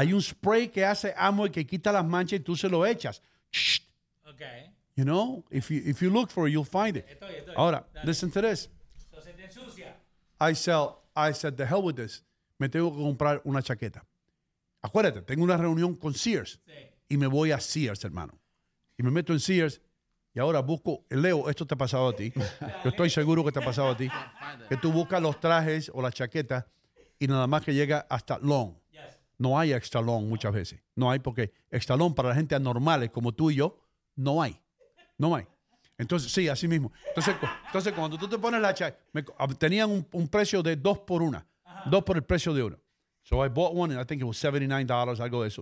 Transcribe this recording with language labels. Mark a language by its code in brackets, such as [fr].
[es] Hay un spray que hace Amway que quita las manchas y tú se lo echas. Shh. Okay. [en] You know, if you look for it, you'll find it. [es] Estoy. Ahora, dale. [en] Listen to this. [es] Entonces te ensucia. [en] I said, the hell with this. [es] Me tengo que comprar una chaqueta. Acuérdate, tengo una reunión con Sears. Sí. Y me voy a Sears, hermano. Y me meto en Sears. Y ahora busco, Leo, esto te ha pasado a ti. Yo estoy seguro que te ha pasado a ti. Que tú buscas los trajes o la chaqueta y nada más que llega hasta long. No hay extra long muchas veces. No hay, porque extra long para la gente anormal como tú y yo, no hay. No hay. Entonces, sí, así mismo. Entonces cuando tú te pones la chaqueta, tenían un precio de 2 por 1. Ajá. 2 por el precio de 1. [en] So I bought one and I think it was $79, [es] algo de eso.